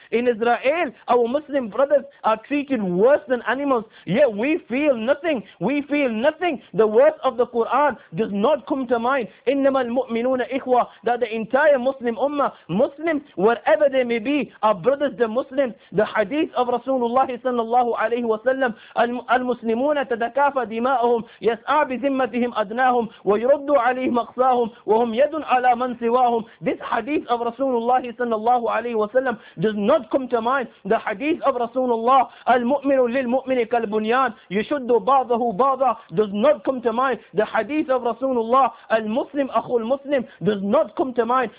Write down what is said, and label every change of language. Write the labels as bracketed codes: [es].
[en] In Israel, our Muslim brothers are treated worse than animals, yet we feel nothing. We feel nothing. The words of the Quran does not come to mind. [ar] Innama al-mu'minuna ikhwa, [en] that the entire Muslim Ummah, Muslim, wherever they may be, are brothers, the Muslims. The hadith of [ar] Rasulullah sallallahu alayhi وسلم المسلمون تتكافى دماؤهم يسعى بذمتهم أدناهم ويرد عليهم أقصاهم وهم يد على من سواهم. [en] This hadith of Rasulullah sallallahu alayhi wa sallam does not come to mind. The hadith of Rasulullah, [ar] المؤمن للمؤمن كالبنيان يشد بعضه بعضا, [en] does not come to mind. The hadith of Rasulullah, [ar] المسلم أخو المسلم, [en] does not come to mind.